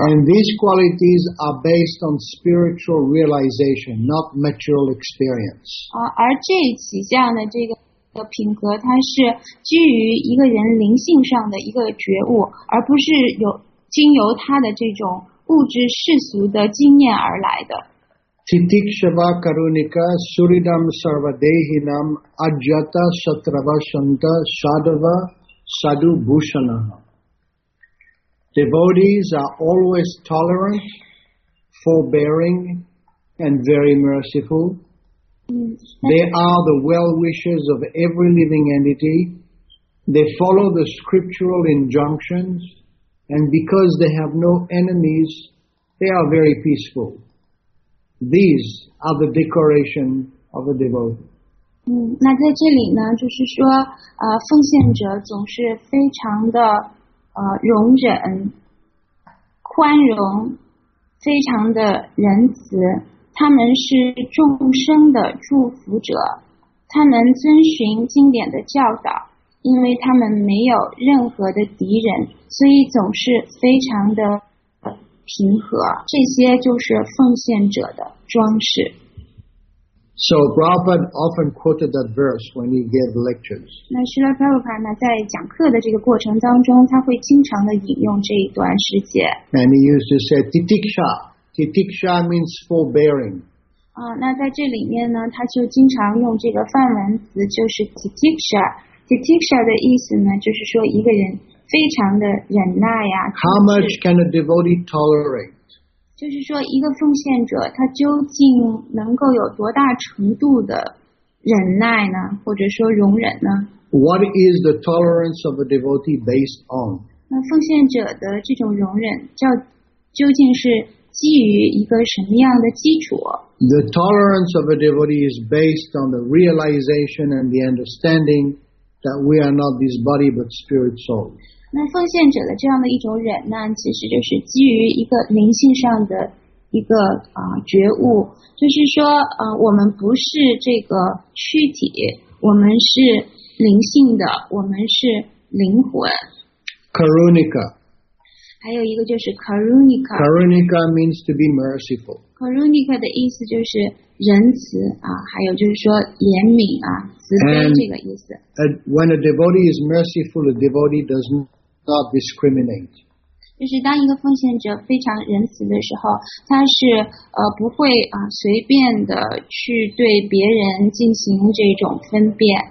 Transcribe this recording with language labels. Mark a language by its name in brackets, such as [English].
[English] And these qualities are based on spiritual realization, not material experience. [Chinese] 而这几项的这个的品格它是基于一个人灵性上的一个觉悟，而不是有经由他的这种物质世俗的经验而来的。 [Sanskrit] Titikshava Karunika Suridam Sarvadehinam Ajata Satravasanta Sadhava Sadhu Bhushanaha. [English] Devotees are always tolerant, forbearing, and very merciful. They are the well-wishers of every living entity. They follow the scriptural injunctions, and because they have no enemies, they are very peaceful. These are the decoration of a devotee. [Chinese] 那在这里呢，就是说，奉献者总是非常的，容忍、宽容，非常的仁慈。他们是众生的祝福者，他们遵循经典的教导，因为他们没有任何的敌人，所以总是非常的。平和，这些就是奉献者的装饰。 [English] So Prabhupada often quoted that verse when he gave lectures. [Chinese] 那Srila Prabhupada在讲课的这个过程当中，他会经常的引用这一段诗节。 [English] And he used to say titiksha. Titiksha means forbearing. [Chinese] 那在这里面呢，他就经常用这个梵文词，就是 titiksha. Titiksha 的意思呢，就是说一个人。非常的忍耐呀。 [English] How much can a devotee tolerate? [Chinese] 就是说，一个奉献者他究竟能够有多大程度的忍耐呢？或者说容忍呢 [English] ？What is the tolerance of a devotee based on? [Chinese] 那奉献者的这种容忍叫究竟是基于一个什么样的基础 [English] ？The tolerance of a devotee is based on the realization and the understanding. That we are not this body but spirit soul. [Chinese] 那奉献者的这样的一种忍耐，其实就是基于一个灵性上的一个觉悟，就是说我们不是这个躯体，我们是灵性的，我们是灵魂。 [Sanskrit] Karunika. [Chinese] 还有一个就是 Karunika. [English] Karunika means to be merciful. [Chinese] Karunika 的意思就是。仁慈啊，还有就是说怜悯啊，慈悲这个意思。 [English] When a devotee is merciful, a devotee does not discriminate. [Chinese] 就是当一个奉献者非常仁慈的时候，他是不会随便的去对别人进行这种分辨。